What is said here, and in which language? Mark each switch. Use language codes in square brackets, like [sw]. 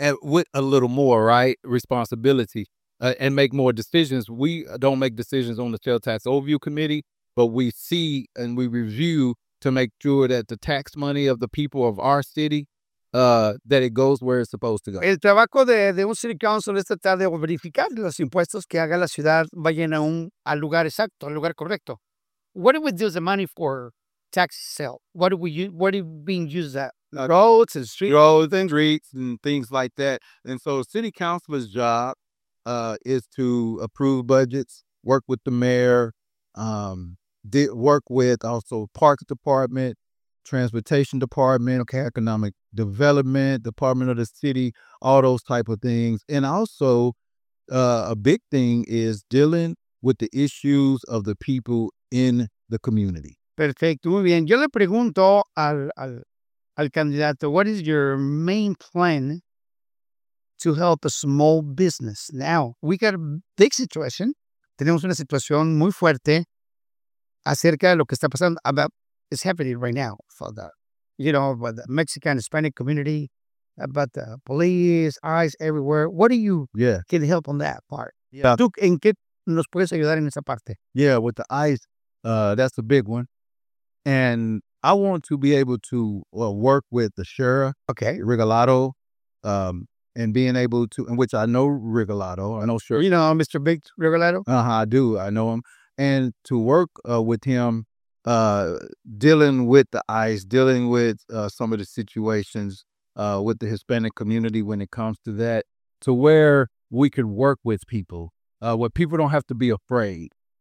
[en] with a little more right responsibility and make more decisions. We don't make decisions on the sales tax overview committee, but we see and we review to make sure that the tax money of the people of our city that it goes where it's supposed to go. [es] El trabajo de un city council es tratar de verificar los impuestos que haga la ciudad vayan a al lugar exacto, al lugar correcto. [en] What do we do the money for? Tax sale. What do we use? What are being used at? Roads and streets. Roads and streets and things like that. And so, city councilor's job is to approve budgets, work with the mayor, work with also parks department, transportation department, okay, economic development, department of the city, all those type of things. And also, a big thing is dealing with the issues of the people in the community. [es] Perfecto, muy bien. Yo le pregunto al candidato, [en] what is your main plan to help a small business? Now, we got a big situation. [es] Tenemos una situación muy fuerte acerca de lo que está pasando. [en] About it's happening right now for the, you know, about the Mexican Hispanic community, about the police, ICE everywhere. What do you can help on that part? Yeah. [es] ¿Tú en qué nos puedes ayudar en esa parte? [en] Yeah, with the ICE, that's a big one. And I want to be able to work with the sheriff, okay, Rigolato, and being able to, in which I know Rigolato. I know, sure. You know Mr. Big Rigolato? I do. I know him. And to work with him, dealing with the ICE, dealing with some of the situations with the Hispanic community when it comes to that, to where we could work with people, where people don't have to be afraid.